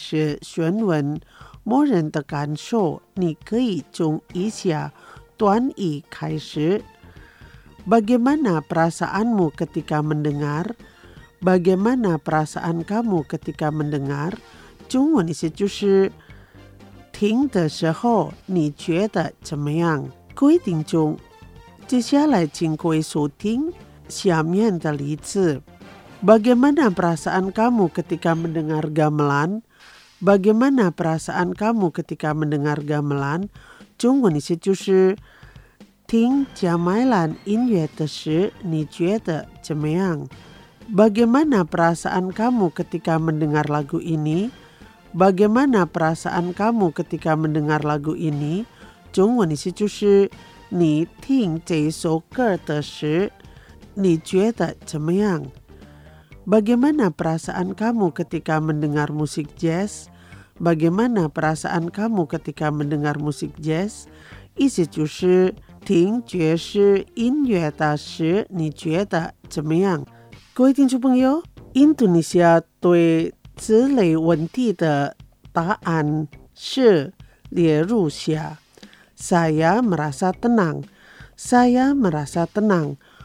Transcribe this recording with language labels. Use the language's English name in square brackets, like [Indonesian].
[Chinese] 要在听到某人的某些诗经诗选文，某人的感受， 你可以从以下段语开始。 [Indonesian] Bagaimana perasaanmu ketika mendengar? Bagaimana perasaan kamu ketika mendengar? [Chinese] 中文意思就是 听的时候你觉得怎么样? 规定中， 接下来请各位收听下面的例子。 [Indonesian] Bagaimana perasaan kamu ketika mendengar gamelan? Bagaimana perasaan kamu ketika mendengar gamelan? [Chinese] 中文意思就是 听加麦兰音乐的时你觉得怎么样? [Indonesian] Bagaimana perasaan kamu ketika mendengar lagu ini? Bagaimana perasaan kamu ketika mendengar lagu ini? [Chinese] 中文意思就是 你听这首歌的时你觉得怎么样? [Indonesian] Bagaimana perasaan kamu ketika mendengar musik jazz? Bagaimana perasaan kamu ketika mendengar musik jazz? [Chinese] 意思就是 听爵士音乐的时你觉得怎么样? 各位听众朋友， Indonesia 对此类问题的答案是列入下。 [Indonesian] Saya merasa tenang. Saya merasa tenang.